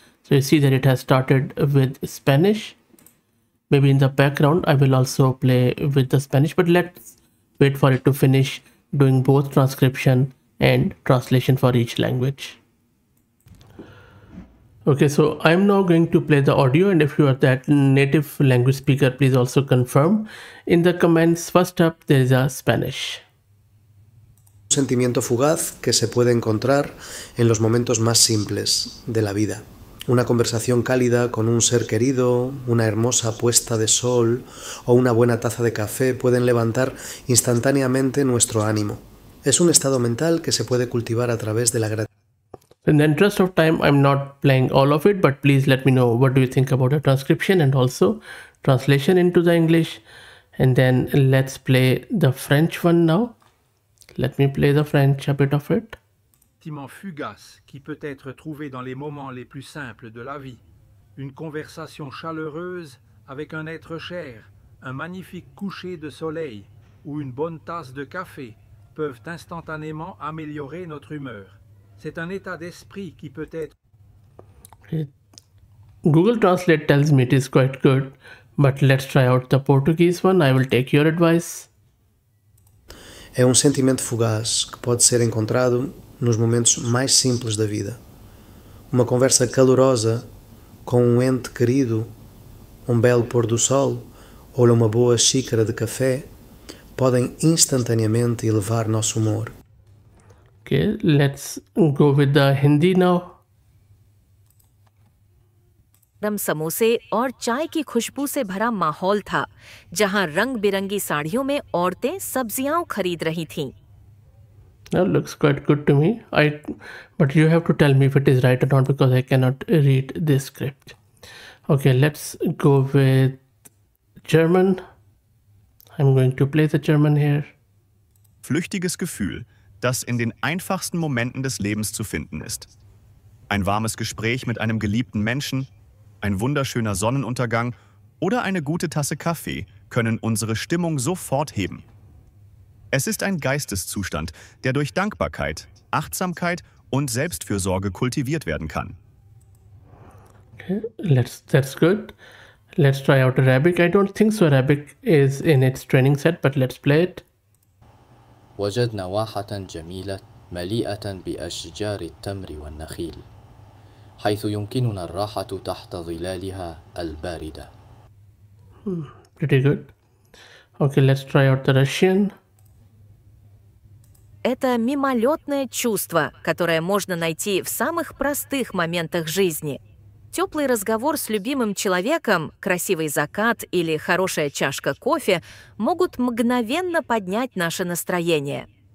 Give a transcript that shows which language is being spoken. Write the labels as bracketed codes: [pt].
[en] So you see that it has started with Spanish. Maybe in the background I will also play with the Spanish, but let's wait for it to finish doing both transcription and translation for each language. Okay, so I'm now going to play the audio, and if you are that native language speaker, please also confirm. In the comments, first up, there is a Spanish. [es] Sentimiento fugaz que se puede encontrar en los momentos más simples de la vida. Una conversación cálida con un ser querido, una hermosa puesta de sol o una buena taza de café pueden levantar instantáneamente nuestro ánimo. Es un estado mental que se puede cultivar a través de la gratitud. [en] In the interest of time, I'm not playing all of it, but please let me know what do you think about the transcription and also translation into the English. And then let's play the French one now. Let me play the French a bit of it. [fr] Sentiment fugace qui peut être trouvé dans les moments les plus simples de la vie. Une conversation chaleureuse avec un être cher, un magnifique coucher de soleil ou une bonne tasse de café peuvent instantanément améliorer notre humeur. C'est un état d'esprit qui peut être... [en] Google Translate tells me it is quite good, but let's try out the Portuguese one. I will take your advice. [pt] É sentimento fugaz que pode ser encontrado nos momentos mais simples da vida. Uma conversa calorosa com ente querido, belo pôr do sol ou uma boa xícara de café podem instantaneamente elevar nosso humor. [en] Okay, let's go with the Hindi now. [hi] गरम समोसे और चाय की खुशबू से भरा माहौल था, जहां रंग-बिरंगी साड़ियों में औरतें सब्जियां खरीद रही थीं। [en] That looks quite good to me. But you have to tell me if it is right or not because I cannot read this script. Okay, let's go with German. I'm going to play the German here. [de] Flüchtiges Gefühl, das in den einfachsten Momenten des Lebens zu finden ist. Ein warmes Gespräch mit einem geliebten Menschen, ein wunderschöner Sonnenuntergang oder eine gute Tasse Kaffee können unsere Stimmung sofort heben. Es ist ein Geisteszustand, der durch Dankbarkeit, Achtsamkeit und Selbstfürsorge kultiviert werden kann. [en] That's good. Let's try out Arabic. I don't think so. Arabic is in its training set, but let's play it. [ar] وجدنا واحة جميلة مليئة بأشجار التمر والنخيل، حيث يمكننا الراحة تحت ظلالها الباردة. [en] Pretty good. Okay, let's try out the Russian. [ru] Это мимолетное чувство, которое можно найти в самых простых моментах жизни. Теплый разговор с любимым человеком, красивый закат или хорошая чашка кофе могут мгновенно поднять наше настроение.